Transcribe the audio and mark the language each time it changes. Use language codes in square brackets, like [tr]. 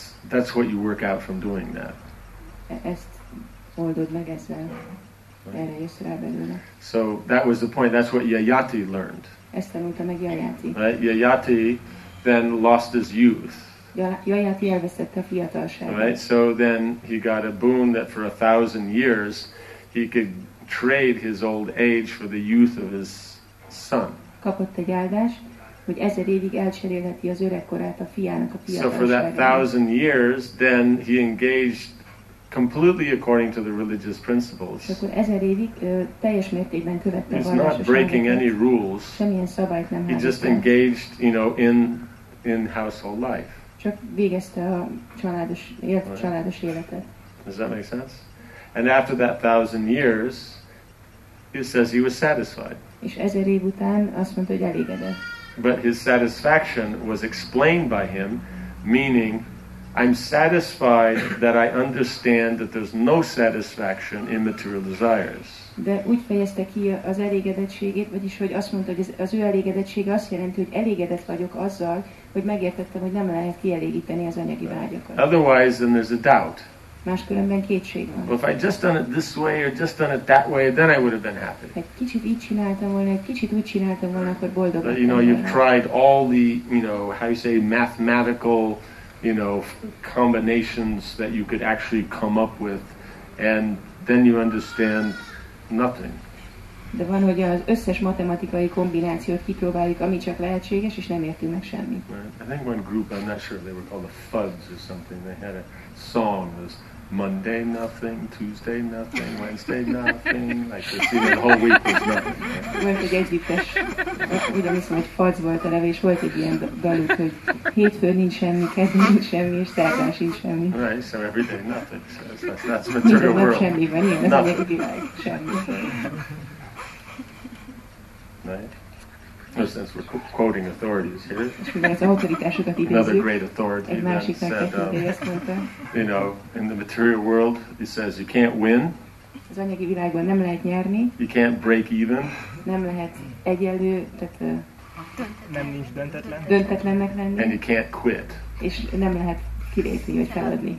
[en] That's what you work out from doing that. [hu] Ezt oldod meg ezzel. Erre jössz rá belőle. [en] So that was the point. That's what Yayati learned. [hu] Ezt tanulta meg Yayati. [en] Right? Yayati then lost his youth. [hu] Jaját elvesztette a fiatalságát. [en] Right, so then he got a boon that for 1,000 years he could trade his old age for the youth of his son. [hu] Kapott egy áldást, hogy 1,000 évig elcserélheti az öregkorát a fiának a fiatalságát. [en] So for that 1,000 years, then he engaged completely according to the religious principles. [hu] És akkor 1,000 évig teljes mértékben követte a vallásos elveket. [en] He's not breaking any rules. [hu] Semmilyen szabályt nem hagyott. [en] He just engaged, you know, in household life. [hu] Csak végezte a családos, élt a családos életet. [en] Does that make sense? And after that 1,000 years, he says he was satisfied. [hu] És 1,000 év után azt mondta, hogy elégedett. [en] But his satisfaction was explained by him, meaning, I'm satisfied that I understand that there's no satisfaction in material desires. [hu] De úgy fejezte ki az elégedettségét, vagyis hogy azt mondta, hogy az ő elégedettsége azt jelenti, hogy elégedett vagyok azzal, hogy megértettem, hogy nem lehet kielégíteni az anyagi vágyakat. [en] Otherwise, then there's a doubt. [hu] Máskülönben kétség van. [en] Well, if I just done it this way or just done it that way, then I would have been happy. [hu] Egy kicsit így csináltam volna, egy kicsit úgy csináltam volna, akkor boldog. [en] But you know, you've tried all the, you know, how you say, mathematical, you know, combinations that you could actually come up with, and then you understand nothing. [hu] De van, hogy az összes matematikai kombinációt kipróbáljuk, ami csak lehetséges, és nem értünk meg semmit. [en] I think one group, I'm not sure, they were called the Fuzz or something, they had a song, it was Monday nothing, Tuesday nothing, Wednesday nothing, like this, even the whole week was nothing. [hu] Volt egy együttes, ugyanis majd Fuzz volt a neve, és volt egy ilyen daluk, hogy hétfőn nincs semmi, kedden nincs semmi, és szerdán sincs semmi. [en] Right, so every day nothing, so that's the material world. [hu] Semmi van, ilyen az egyedi világ, semmi. [en] Right. Since we're quoting authorities here, another great authority that said, you know, in the material world, he says you can't win. [hu] Az anyagi világban nem lehet nyerni. [en] You can't break even. [hu] Nem lehet egyenlő, tehát nem nincs döntetlen. Döntetlennek lenni. [en] And you can't quit. [hu] És nem lehet kilépni vagy feladni.